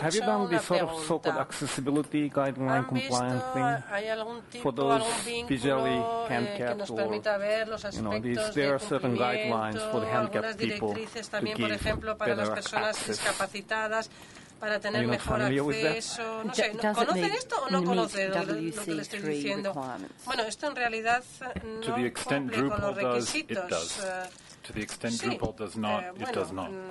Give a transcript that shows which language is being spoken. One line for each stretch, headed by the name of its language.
English: Have you done this sort of so-called accessibility guideline compliant thing for those visually handicapped or, you know, there are certain guidelines for the handicapped people to give better access?
Spanish: Para tener mejor acceso, no sé, ¿conocen esto o no conocen lo que les estoy diciendo? Bueno, esto en realidad no cumple con los requisitos.
English: To the extent Drupal does not, it does not.